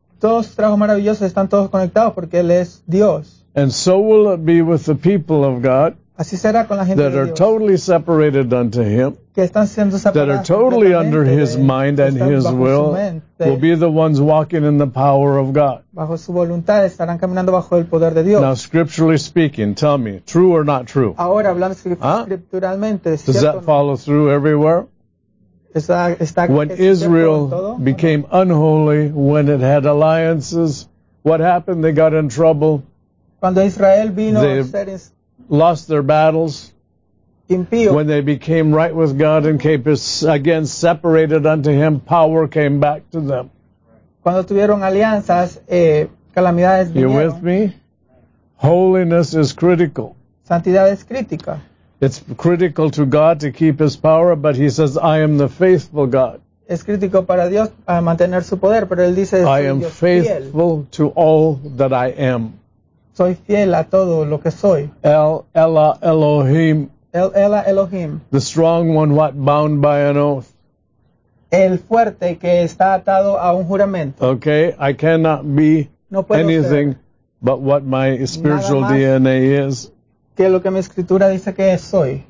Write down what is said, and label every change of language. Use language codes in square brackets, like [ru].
[es] Todos sus trabajos maravillosos están todos conectados porque él es Dios. [en] And so will it be with the people of God that are totally separated unto him, that are totally under his mind and his will, will be the ones walking in the power of God. [es] Bajo su voluntad estarán caminando bajo el poder de Dios. [en] Now, scripturally speaking, tell me, true or not true? [es] Ahora, hablando scripturalmente, ¿es cierto? [en] Does that follow through everywhere? When Israel became unholy, when it had alliances, what happened? They got in trouble. [es] Cuando Israel vino, [en] they lost their battles. [es] Impío. [en] When they became right with God and came again separated unto him, power came back to them. [es] Cuando tuvieron alianzas, calamidades vinieron. [en] You with me? Holiness is critical. [es] Santidad es crítica. [en] It's critical to God to keep his power, but he says, I am the faithful God. [es] Es crítico para Dios a mantener su poder, pero él dice, [en] I am faithful to all that I am. [es] Soy fiel a todo lo que soy. [en] El Ela Elohim. [es] El Ela Elohim. [en] The strong one what bound by an oath. [es] El fuerte que está atado a un juramento. [en] Okay, I cannot be [es] no puedo [en] anything [es] ser. [en] But what my spiritual DNA is. [es] Que lo que mi escritura dice que soy.